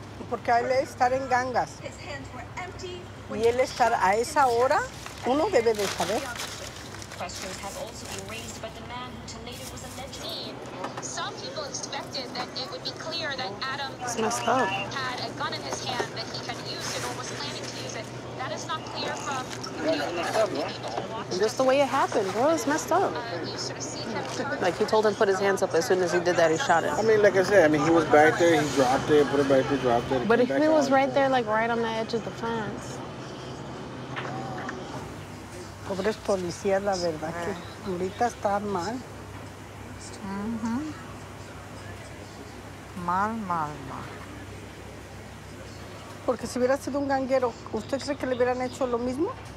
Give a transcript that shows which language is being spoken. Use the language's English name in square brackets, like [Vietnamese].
[Spanish] Porque él estar en gangas y él estar a esa hora, uno debe de saber. [English] questions have also been raised about the man who tonight was allegedly. Some people expected that it would be clear that Adam had a gun in his hand, that he had used it or was planning to use it. That is not clear from just the way it happened, bro. It's messed up. Like, he told him to put his hands up. As soon as he did that, he shot it. I mean, like I said, I mean, he was back there. He dropped it, put it back there, dropped it. But if he was right there, like, right on the edge of the fence. [Spanish] Pobres policías, la verdad, que ahorita está mal. Mal, mal, mal. Porque si hubiera sido un ganguero, ¿usted cree que le hubieran hecho lo mismo?